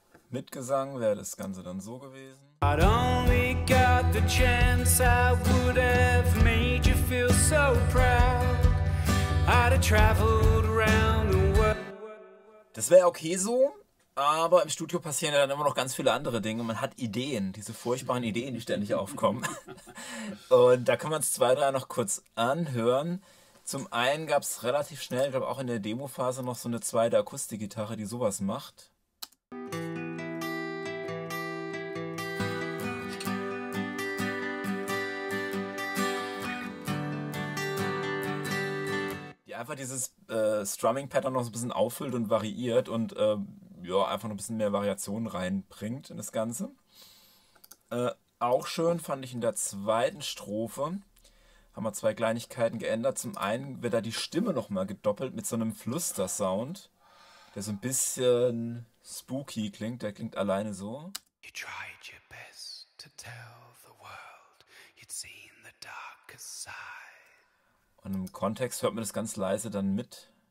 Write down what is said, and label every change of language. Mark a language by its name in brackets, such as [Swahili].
[German] Mit Gesang wäre das Ganze dann so gewesen. [English] I'd only got the chance, I would have made you feel so proud. I'd have traveled around the world. [German] Das wäre okay so, aber im Studio passieren ja dann immer noch ganz viele andere Dinge. Man hat Ideen, diese furchtbaren Ideen, die ständig aufkommen. Und da kann man es zwei, drei noch kurz anhören. Zum einen gab es relativ schnell, ich glaube auch in der Demophase, noch so eine zweite Akustikgitarre, die sowas macht. Einfach dieses Strumming-Pattern noch so ein bisschen auffüllt und variiert und ja, einfach noch ein bisschen mehr Variation reinbringt in das Ganze. Auch schön fand ich in der zweiten Strophe, haben wir zwei Kleinigkeiten geändert. Zum einen wird da die Stimme nochmal gedoppelt mit so einem Flüster-Sound, der so ein bisschen spooky klingt, der klingt alleine so. [English] You tried your best to tell the world you'd seen the darkest side. [German] In einem Kontext hört man das ganz leise dann mit.